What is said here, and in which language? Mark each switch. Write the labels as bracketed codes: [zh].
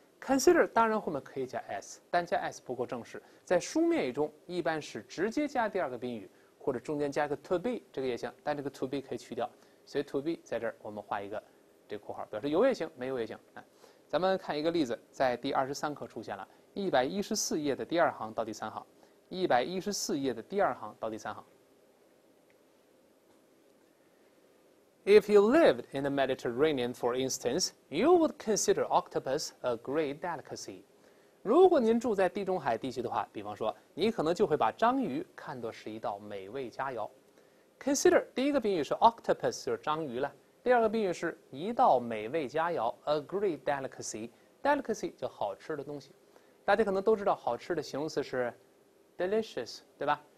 [zh] consider 当然后面可以加 s，但加 s 不够正式，在书面语中一般是直接加第二个宾语，或者中间加个 to be，这个也行，但这个 to be 可以去掉，所以 to be 在这儿我们画一个这个括号，表示有也行，没有也行。哎，咱们看一个例子，在第23课出现了，114页的第二行到第三行，114页的第二行到第三行。 [en] If you lived in the Mediterranean, for instance, you would consider octopus a great delicacy. [zh] 如果您住在地中海地区的话，比方说，你可能就会把章鱼看作是一道美味佳肴。 Consider 第一个宾语是 octopus， 就是章鱼了。第二个宾语是一道美味佳肴 ， [en] a great delicacy。 [zh] delicacy 就好吃的东西。大家可能都知道，好吃的形容词是 delicious， 对吧？